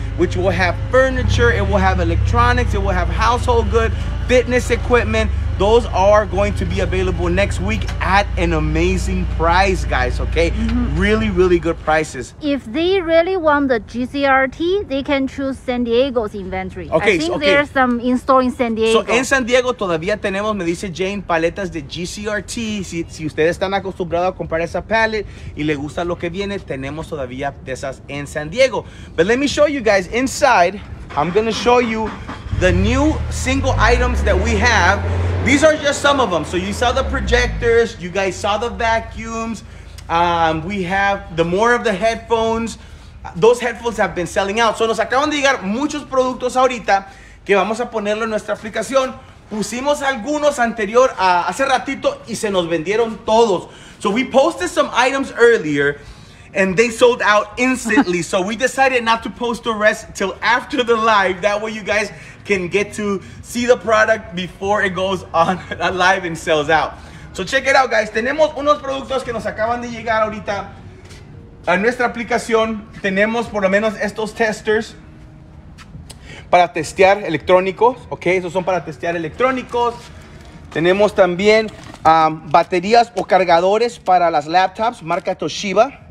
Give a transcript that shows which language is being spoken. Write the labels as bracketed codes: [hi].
[en] Which will have furniture, it will have electronics, it will have household goods, fitness equipment. Those are going to be available next week at an amazing price, guys, okay? Mm-hmm. Really, really good prices. If they really want the GCRT, they can choose San Diego's inventory. Okay, I think okay. There's some in-store in San Diego. [es] So, en San Diego todavía tenemos, me dice Jane, paletas de GCRT. Si ustedes están acostumbrados a comprar esa pallet y le gusta lo que viene, tenemos todavía de esas en San Diego. [en] But let me show you guys inside. I'm going to show you the new single items that we have. These are just some of them. So you saw the projectors, you guys saw the vacuums. We have the more of the headphones. Those headphones have been selling out. So [es] nos acaban de llegar muchos productos ahorita que vamos a ponerlo en nuestra aplicación. Pusimos algunos anterior a hace ratito y se nos vendieron todos. [en] So we posted some items earlier and they sold out instantly. So we decided not to post the rest till after the live. That way you guys can get to see the product before it goes on live and sells out. So check it out, guys. [es] Tenemos unos productos que nos acaban de llegar ahorita a nuestra aplicación. Tenemos por lo menos estos testers para testear electrónicos. Okay, esos son para testear electrónicos. Tenemos también baterías o cargadores para las laptops, marca Toshiba.